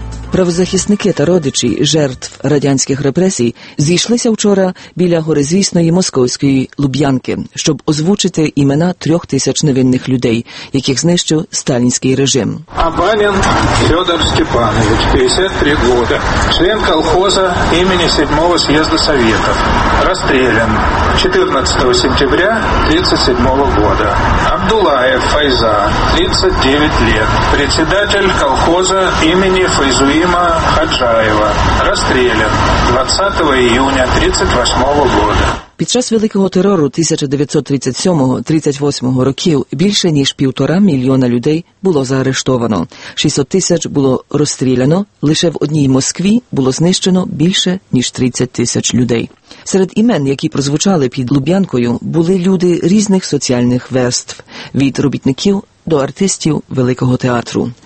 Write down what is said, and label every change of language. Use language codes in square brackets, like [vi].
[uk] Правозахисники та родичі жертв радянських репресій зійшлися вчора біля горизвісної московської Луб'янки, щоб озвучити імена 3 тисяч невинних людей, яких знищив сталінський режим. Абанін Федор Степанович, 53 роки, член колхоза імені 7-го з'їзду Совєта, розстріляний [ru] 14 сентября 37-го года. Абдулаев Файза, 39 лет, председатель колхоза имени Файзуима Хаджаева, расстрелян 20 июня 38-го года. [uk] Під час великого терору 1937-38 років більше ніж 1,5 мільйона людей було заарештовано. 600 тисяч було розстріляно, лише в одній Москві було знищено більше ніж 30 тисяч людей. Серед імен, які прозвучали під Луб'янкою, були люди різних соціальних верств – від робітників до артистів великого театру.